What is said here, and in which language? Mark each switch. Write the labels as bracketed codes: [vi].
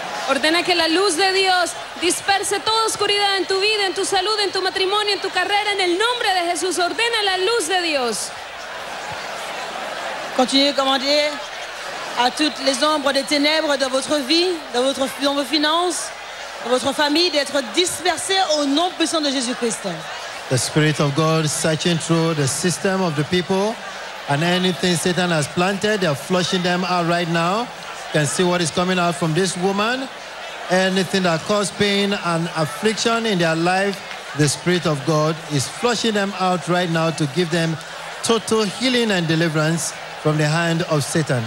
[es] Ordena que la luz de Dios disperse toda oscuridad en tu vida, en tu salud, en tu matrimonio, en tu carrera, en el nombre de Jesús. Ordena la luz de Dios. [fr] Continue de commander à toutes les ombres des ténèbres de votre vie, dans vos finances. Votre famille d'être dispersée au nom puissant de Jésus-Christ. [en] The Spirit of God searching through the system of the people and anything Satan has planted, they are flushing them out right now. You can see what is coming out from this woman. Anything that caused pain and affliction in their life, the Spirit of God is flushing them out right now to give them total healing and deliverance from the hand of Satan.